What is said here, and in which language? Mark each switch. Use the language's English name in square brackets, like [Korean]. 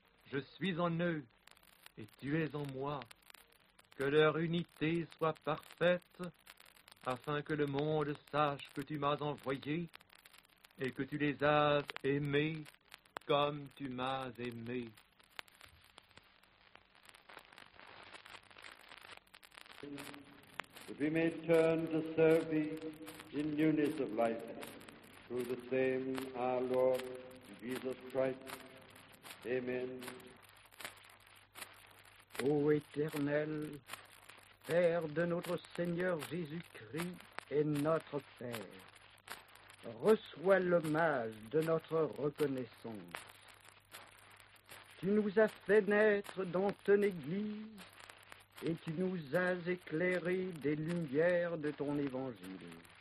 [French] Je suis en eux, et tu es en moi. Que leur unité soit parfaite, afin que le monde sache que tu m'as envoyé et que tu les as aimés comme tu m'as aimé. [English] That we may turn to serve thee in newness of life through the same our Lord Jesus Christ. Amen. [French] Ô éternel, Père de notre Seigneur Jésus-Christ et notre Père, reçois l'hommage de notre reconnaissance. Tu nous as fait naître dans ton Église et tu nous as éclairés des lumières de ton Évangile.